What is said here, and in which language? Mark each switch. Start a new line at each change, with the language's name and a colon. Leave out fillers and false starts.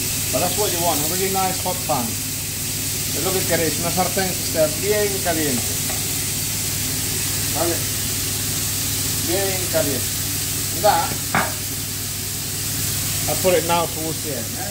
English: But that's what you want, a really nice hot pan.
Spanish: Es lo que queréis, una sartén que esté bien caliente. ¿Vale? Bien caliente.
English: That, I put it now towards the end, yeah?